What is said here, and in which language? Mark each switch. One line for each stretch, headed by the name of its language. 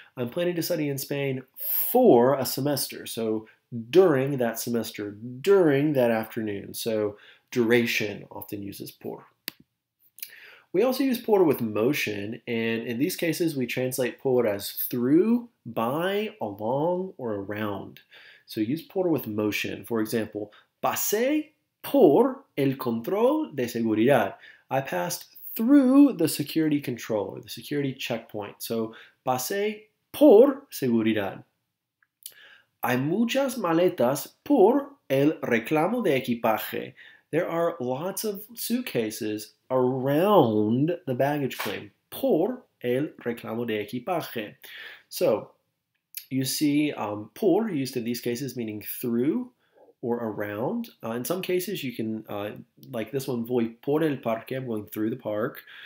English: I'm planning to study in Spain for a semester. So during that semester, during that afternoon. So duration often uses por. We also use por with motion, and in these cases, we translate por as through, by, along, or around. So use por with motion. For example,
Spanish: pasé por el control de seguridad.
English: I passed through the security control, or the security checkpoint.
Spanish: So pasé por seguridad. Hay muchas maletas por el reclamo de equipaje.
English: There are lots of suitcases around the baggage claim.
Spanish: Por el reclamo de equipaje.
English: So, you see por used in these cases meaning through or around. In some cases you can, like this one,
Spanish: voy por el parque,
English: I'm going through the park.